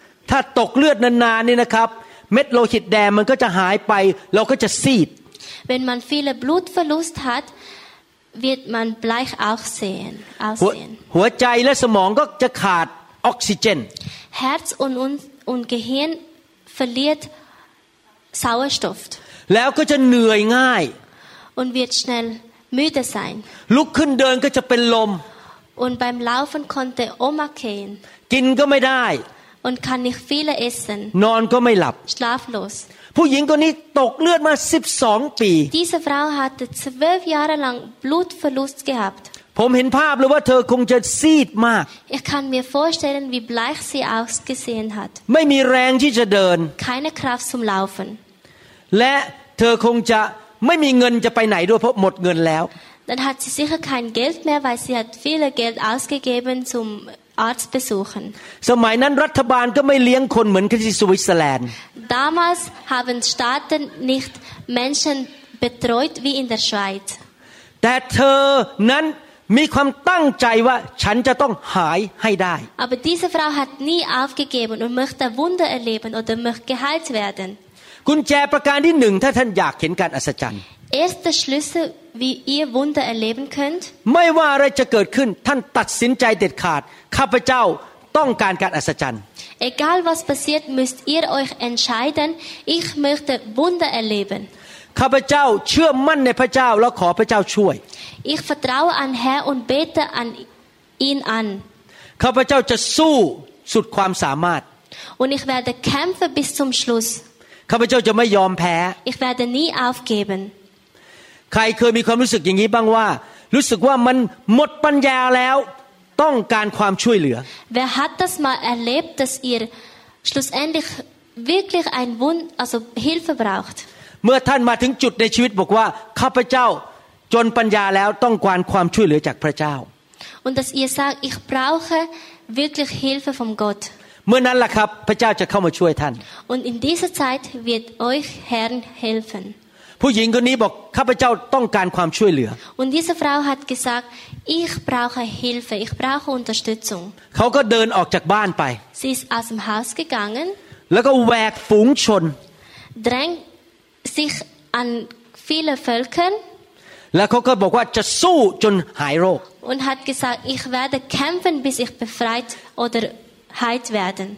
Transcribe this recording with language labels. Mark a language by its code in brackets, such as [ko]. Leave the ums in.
[th] ถ้าตกเลือดนานๆนี่นะครับ เม็ดโลหิตแดงมันก็จะหายไปเราก็จะซีด [de] Wenn man viele Blutverlust hat, wird man bleich auch sehen. [th] หัวใจและสมองก็จะขาดออกซิเจน [de] Herz und und Gehirn verliert Sauerstoff. [th] แล้วก็จะเหนื่อยง่าย [de] Und wird schnell müde sein. [th] ลุกขึ้นเดินก็จะเป็นลม [de] Und beim Laufen konnte Oma gehen. [th] กินก็ไม่ได้ [de] und kann nicht viele essen. [th] นอนก็ไม่หลับ [de] schlaflos [th] ผู้หญิงคนนี้ตกเลือดมา12 ปี [de] diese Frau hatte zwölf Jahre lang Blutverlust gehabt [th] ผมเห็นภาพเลยว่าเธอคงจะซีดมาก [de] ich kann mir vorstellen wie bleich sie ausgesehen hat [th] ไม่มีแรงที่จะเดิน [de] keine Kraft zum Laufen [th] และเธอคงจะไม่มีเงินจะไปไหนด้วยเพราะหมดเงินแล้ว [de] dann hat sie sicher kein Geld mehr weil sie hat viele Geld ausgegeben zum Arzt besuchen. [th] สมัยนั้นรัฐบาลก็ไม่เลี้ยงคนเหมือนที่สวิตเซอร์แลนด์ [de] Damals haben Staaten nicht Menschen betreut wie in der Schweiz. [th] แต่เธอนั้นมีความตั้งใจว่าฉันจะต้องหายให้ได้ [de] Aber diese Frau hat nie aufgegeben und möchte Wunder erleben oder möchte geheilt werden. [th] กุญแจประการที่หนึ่งถ้าท่านอยากเห็นการอัศจรรย์ [de] Erster Schlüssel, wie ihr Wunder erleben könnt. [th] ไม่ว่าอะไรจะเกิดขึ้นท่านตัดสินใจเด็ดขาดข้าพเจ้าต้องการการอัศจรรย์ [de] Egal was passiert, müsst ihr euch entscheiden. Ich möchte Wunder erleben. [th] ข้าพเจ้าเชื่อมั่นในพระเจ้าและขอพระเจ้าช่วย [de] Ich vertraue an Herr und bete an ihn an. [th] ข้าพเจ้าจะสู้สุดความสามารถ [de] Und ich werde kämpfen bis zum Schluss. [th] ข้าพเจ้าจะไม่ยอมแพ้ [de] Ich werde nie aufgeben. [th] ใครเคยมีความรู้สึกอย่างนี้บ้างว่ารู้สึกว่ามันหมดปัญญาแล้วต้องการความช่วยเหลือ [de] Wer hat das mal erlebt, dass ihr schlussendlich wirklich ein Wund, also Hilfe braucht? [th] เมื่อท่านมาถึงจุดในชีวิตบอกว่าข้าพเจ้าจนปัญญาแล้วต้องการความช่วยเหลือจากพระเจ้า [de] Und dass ihr sagt, ich brauche wirklich Hilfe vom Gott. [th] เมื่อนั้นล่ะครับพระเจ้าจะเข้ามาช่วยท่าน [de] Und in dieser Zeit wird euch Herrn helfen. [th] ผู้หญิงคนนี้บอกข้าพเจ้าต้องการความช่วยเหลือ [de] Und diese Frau hat gesagt ich brauche Hilfe ich brauche Unterstützung [th] เขาก็เดินออกจากบ้านไป [de] Sie ist aus dem Haus gegangen [th] แล้วก็แวกฝูงชน [de] Drang sich an viele Völker [th] แล้วเขาก็บอกว่าจะสู้จนหายโรค [de] Und hat gesagt ich werde kämpfen bis ich befreit oder heilt werden